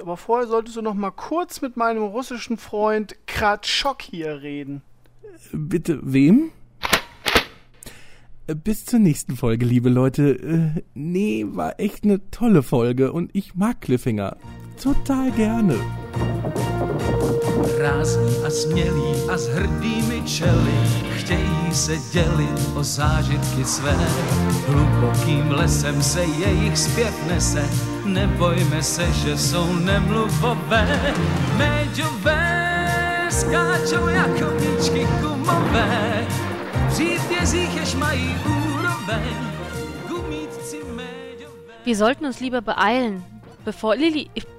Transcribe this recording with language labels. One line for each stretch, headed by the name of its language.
German: Aber vorher solltest du noch mal kurz mit meinem russischen Freund Kratschok hier reden. Bitte, wem? Bis zur nächsten Folge, liebe Leute. War echt eine tolle Folge. Und ich mag Cliffhanger. Total gerne.
Czech: Rázní a smělí a s hrdými čely chtějí se dělit o zážitky své. Hlubokým lesem se jejich zpět nese, nebojme se, že jsou nemluvové. Méďové skáčou jako míčky gumové, přítězích jež mají úroveň, gumítci méďové.
German: Wir sollten uns lieber beeilen, bevor Lili...